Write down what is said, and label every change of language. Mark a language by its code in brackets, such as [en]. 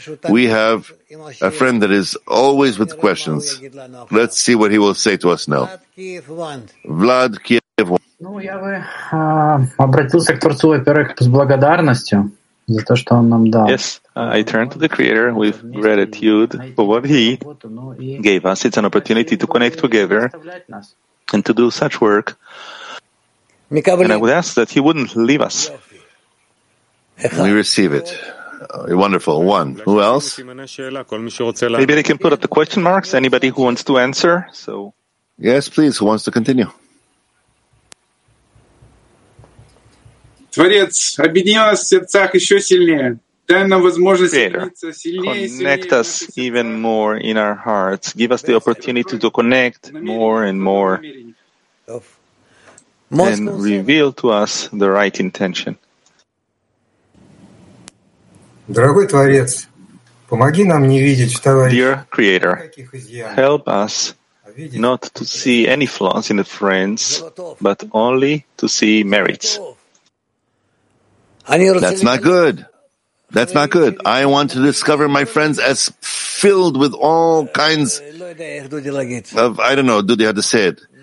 [en] We have a friend that is always with questions. Let's see what he will say to us now. Vlad Kiev. [ru] Ну, я бы обратился к Творцу, во-первых, с благодарностью за то, что он нам дал. [en] Yes, I turn to the Creator with gratitude for what He gave us. It's an opportunity to connect together and to do such work. And I would ask that He wouldn't leave us. We receive it. Wonderful. One. Who else? Maybe they can put up the question marks. Anybody who wants to answer? So. Yes, please. Who wants to continue? [ru] Творец, объедини нас в сердцах еще сильнее. Дай нам возможность соединиться сильнее. [en] Connect us even more in our hearts. Give us the opportunity to connect more and more. And reveal to us the right intention. [ru] Дорогой Творец, помоги нам не видеть в товарище. [en] Dear Creator, help us not to see any flaws in the friends, but only to see merits. That's not good. That's not good. I want to discover my friends as filled with all kinds of, I don't know, do they have to say it?